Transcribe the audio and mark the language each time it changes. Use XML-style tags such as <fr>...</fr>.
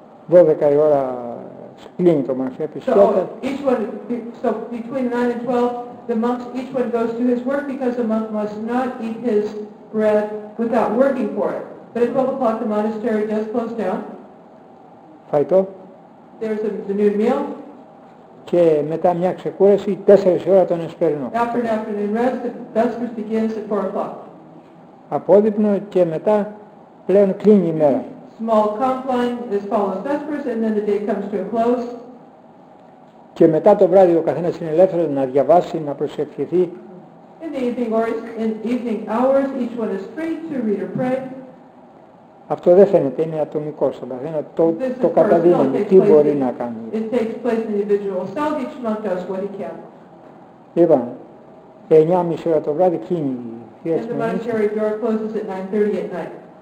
<el>12 η ώρα κλείνει το μοναστήριο επισκέπτες.</el> <en>So between 9 and 12, the monks, each one goes to his work because the monk must not eat his bread without working for it. But at 12 o'clock, the monastery does close down.</en> <el>Φαϊτό.</el> <en>There's the noon meal.</en> <el>Και μετά μια ξεκούραση, 4 η ώρα τον εσπερινό.</el> <en>After an afternoon rest, the vespers begins at 4 o'clock.</en> <el>Απόδειπνο και μετά πλέον κλείνει η μέρα.</el> <en>Small compline is followed vespers and then the day comes to a close.</en> <el>Και μετά το βράδυ ο καθένας είναι ελεύθερος να διαβάσει, να προσευχηθεί.</el> <en>In the evening or in evening hours, each one is free to read or pray.</en> <el>Αυτό δεν φαίνεται, είναι ατομικό στον καθένα. Το καταδίνει, τι μπορεί να κάνει.</el> <en>It takes place in the individual self, each monk does what he can.</en> <el>Λοιπόν, 9:30 ώρα το βράδυ κίνηση.</el> <en>And the monastery door closes at 9:30 at night.</en>